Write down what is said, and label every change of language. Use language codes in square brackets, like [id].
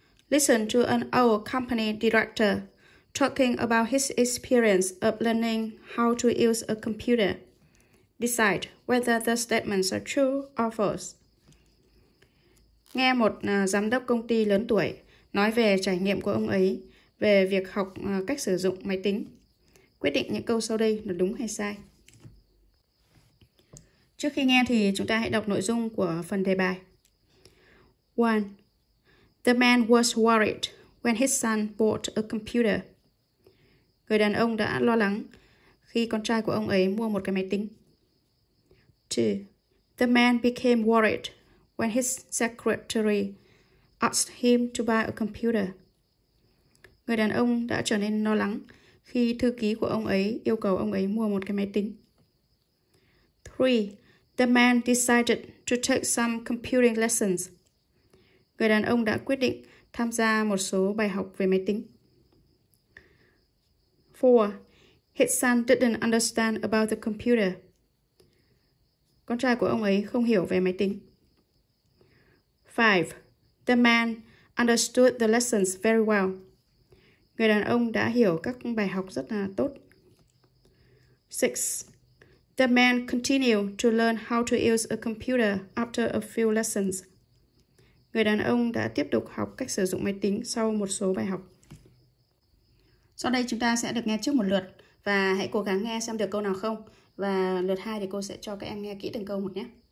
[en] Listen to an old company director talking about his experience of learning how to use a computer. Decide whether the statements are true or false. [vi] Nghe một giám đốc công ty lớn tuổi nói về trải nghiệm của ông ấy về việc học cách sử dụng máy tính. Quyết định những câu sau đây là đúng hay sai. Trước khi nghe thì chúng ta hãy đọc nội dung của phần đề bài. 1. [en] The man was worried when his son bought a computer. [vi] Người đàn ông đã lo lắng khi con trai của ông ấy mua một cái máy tính. 2. [en] The man became worried when his secretary asked him to buy a computer. [vi] Người đàn ông đã trở nên lo lắng khi thư ký của ông ấy yêu cầu ông ấy mua một cái máy tính. 3. [en] The man decided to take some computing lessons. [vi] Người đàn ông đã quyết định tham gia một số bài học về máy tính. [en] 4. His son didn't understand about the computer. [vi] Con trai của ông ấy không hiểu về máy tính. 5. [en] The man understood the lessons very well. [vi] Người đàn ông đã hiểu các bài học rất là tốt. 6. [en] The man continued to learn how to use a computer after a few lessons. [vi] Người đàn ông đã tiếp tục học cách sử dụng máy tính sau một số bài học. Sau đây chúng ta sẽ được nghe trước một lượt và hãy cố gắng nghe xem được câu nào không. Và lượt 2 thì cô sẽ cho các em nghe kỹ từng câu một nhé.